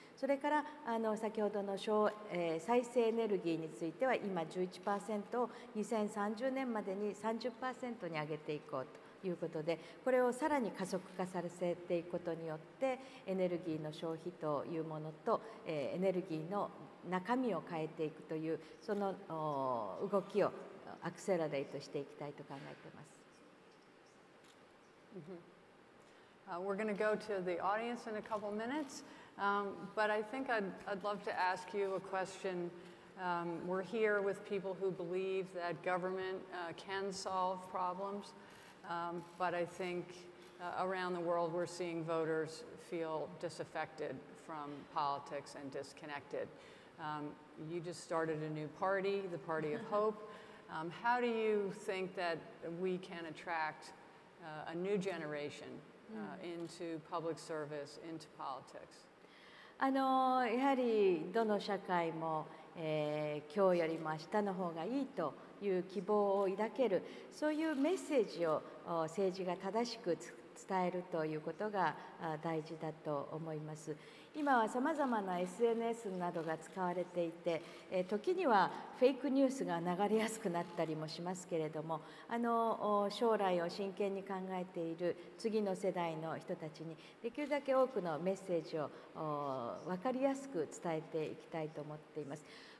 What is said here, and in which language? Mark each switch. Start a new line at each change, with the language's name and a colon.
Japanese: それから先ほどの再生エネルギーについては今 11% を2030年までに 30% に上げていこうということで、これをさらに加速化させていくことによってエネルギーの消費というものとエネルギーの中身を変えていくというその動きをアクセラレートしていきたいと考えています。
English: We're going to go to the audience in a couple minutes, but I think I'd love to ask you a question. We're here with people who believe that government can solve problems, but I think around the world we're seeing voters feel disaffected from politics and disconnected. You just started a new party, the Party of Hope. How do you think that we can attract a new generation into public service, into politics?
Japanese: やはりどの社会も、今日よりも明日の方がいいという希望を抱ける、そういうメッセージを政治が正しく伝えるということが大事だと思います。今はさまざまな SNS などが使われていて、時にはフェイクニュースが流れやすくなったりもしますけれども、将来を真剣に考えている次の世代の人たちにできるだけ多くのメッセージを分かりやすく伝えていきたいと思っています。